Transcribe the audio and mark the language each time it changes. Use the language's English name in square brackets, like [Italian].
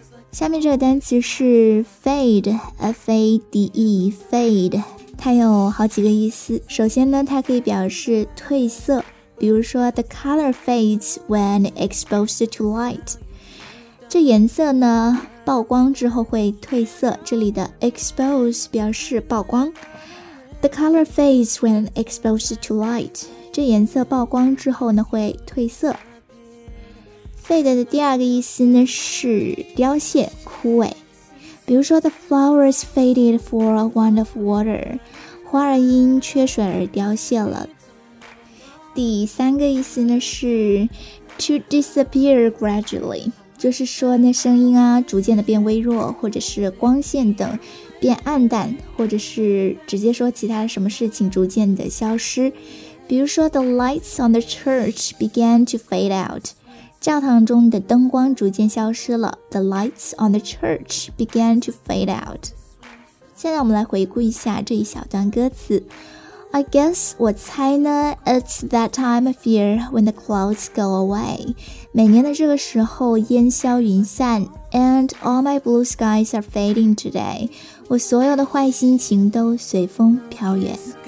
[Chinese] 下面这个单词是 fade, F-A-D-E, fade, 它有好几个意思。首先呢，它可以表示褪色，比如说 [English] the color fades when exposed to light, [Chinese] 这颜色呢曝光之后会褪色，这里的 expose 表示曝光。 [English] The color fades when exposed to light, [Chinese] 这颜色曝光之后呢会褪色。 Fade 的第二个意思呢是凋谢枯萎，比如说 [English] The flowers faded for a want of water, [Chinese] 花儿因缺水而凋谢了。第三个意思呢是 [English] To disappear gradually, [Chinese] 就是说那声音啊逐渐的变微弱，或者是光线等变暗淡，或者是直接说其他什么事情逐渐的消失，比如说 [English] The lights on the church began to fade out, [Chinese] 教堂中的灯光逐渐消失了， [English] The lights on the church began to fade out。 [Chinese] 现在我们来回顾一下这一小段歌词。 [English] I guess, [Chinese] 我猜呢， [English] It's that time of year when the clouds go away, [Chinese] 每年的这个时候烟消云散， [English] And all my blue skies are fading today, [Chinese] 我所有的坏心情都随风飘远。